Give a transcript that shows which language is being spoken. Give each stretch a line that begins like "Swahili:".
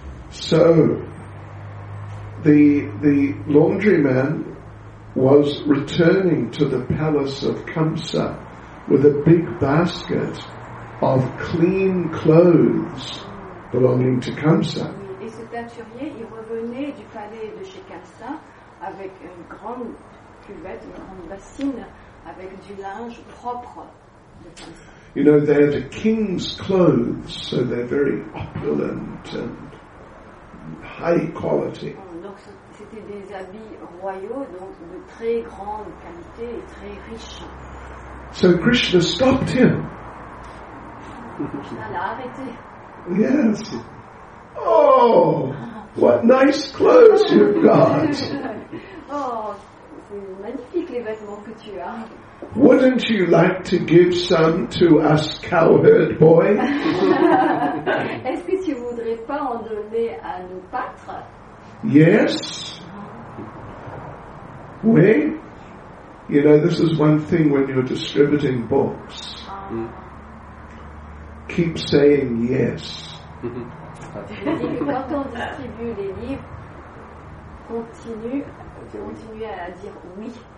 English: So, the laundryman was returning to the palace of Kamsa with a big basket of clean clothes belonging to Kamsa.
French: Et ce teinturier, il revenait du palais de chez Kamsa avec une grande cuvette, une grande bassine avec du linge propre de Kamsa.
English: You know, they're the king's clothes, so they're very opulent and high quality.
French: Donc c'était des habits royaux, donc de très grande qualité et très riches.
English: So Krishna stopped him.
French: Krishna l'a arrêté.
English: Yes. Oh, what nice clothes you've got.
French: Oh, c'est magnifique les vêtements que tu as.
English: Wouldn't you like to give some to us cowherd boy?
French: Est-ce que tu voudrais pas en donner à nos pâtres?
English: Yes.
French: Oui.
English: You know, this is one thing when you're distributing books. Keep saying yes.
French: Quand on distribue les livres, continue à dire oui.